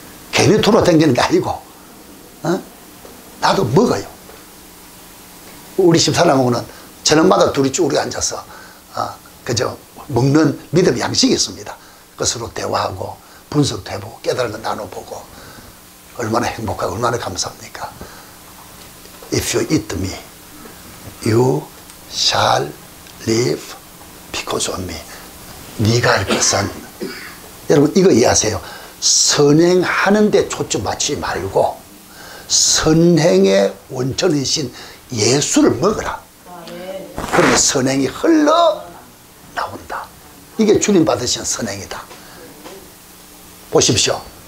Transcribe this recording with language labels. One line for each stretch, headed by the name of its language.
Korean: 괜히 돌아다니는 게 아니고 나도 먹어요. 우리 집사람하고는 저녁마다 둘이 쪼그려 앉아서 그저 먹는 믿음 양식이 있습니다. 그 서로 대화하고 분석도 해보고 깨달은 거 나눠보고 얼마나 행복하고 얼마나 감사합니까.
English: If you eat me, you shall live
Korean: 보소미, 네가 할 것은, 여러분 이거 이해하세요. 선행하는 데 초점 맞추지 말고 선행의 원천이신 예수를 먹으라. 그러면 선행이 흘러 나온다. 이게 주님 받으신 선행이다. 보십시오.